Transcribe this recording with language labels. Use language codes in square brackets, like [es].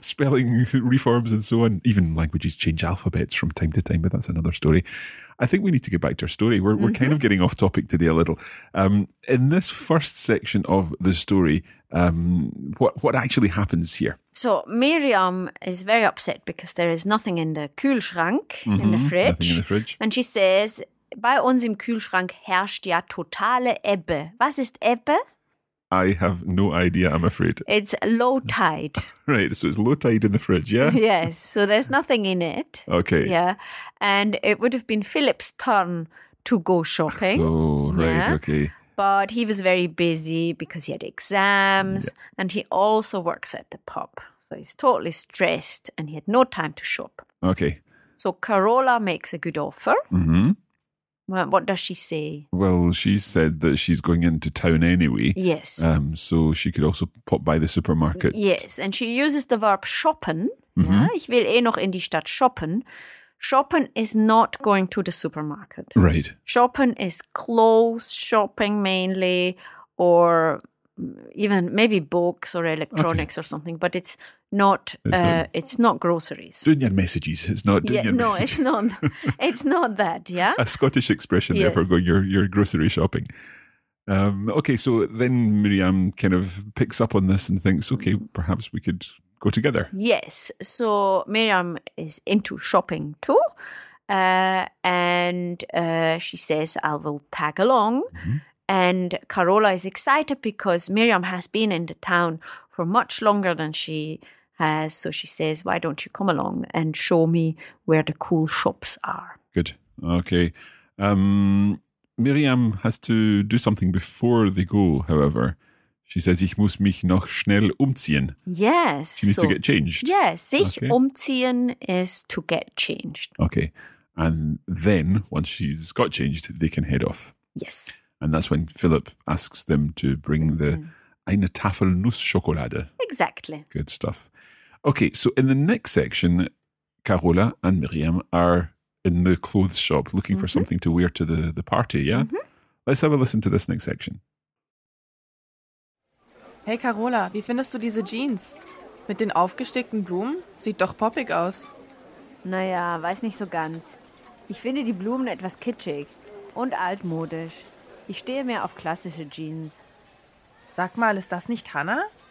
[en] spelling reforms and so on. Even languages change alphabets from time to time, but that's another story. I think we need to get back to our story. We're kind of getting off topic today a little. In this first section of the story, what actually happens here? So Miriam is very upset because there is nothing in the Kühlschrank, in the fridge. Nothing in the fridge. [de] And she says, bei uns im Kühlschrank herrscht ja totale Ebbe. Was ist Ebbe? [en] I have no idea, I'm afraid. It's low tide. Right, so it's low tide in the fridge, yeah? Yes, so there's nothing in it. Okay. Yeah, and it would have been Philip's turn to go shopping. So, right, yeah? Okay. But he was very busy because he had exams, and he also works at the pub. So he's totally stressed and he had no time to shop. Okay. So Carola makes a good offer. Mm-hmm. What does she say? Well, she said that she's going into town anyway. Yes. So she could also pop by the supermarket. Yes, and she uses the verb shoppen. Mm-hmm. [de] Ja, ich will eh noch in die Stadt shoppen. [en] Shoppen is not going to the supermarket. Right. Shoppen is clothes shopping mainly, or even maybe books or electronics or something, but it's not. It's not groceries. Dunyan messages. It's not Dunyan messages. No, it's not. It's not that. Yeah. A Scottish expression there for going your grocery shopping. Okay, so then Miriam kind of picks up on this and thinks, okay, perhaps we could go together. Yes. So Miriam is into shopping too, and she says, "I will tag along." Mm-hmm. And Carola is excited because Miriam has been in the town for much longer than she has. So she says, why don't you come along and show me where the cool shops are? Good. Okay. Miriam has to do something before they go, however. She says, [de] ich muss mich noch schnell umziehen. [en] Yes. She needs to get changed. Yes. Sich umziehen is to get changed. Okay. And then once she's got changed, they can head off. Yes. And that's when Philip asks them to bring the [de] eine Tafel Nussschokolade. [en] Exactly. Good stuff. Okay, so in the next section, Carola and Miriam are in the clothes shop looking for something to wear to the party, yeah? Mm-hmm. Let's have a listen to this next section. [de] Hey Carola, wie findest du diese Jeans? Mit den aufgestickten Blumen? Sieht doch poppig aus. Naja, weiß nicht so ganz. Ich finde die Blumen etwas kitschig und altmodisch. Ich stehe mehr auf klassische Jeans. Sag mal, ist das nicht Hannah?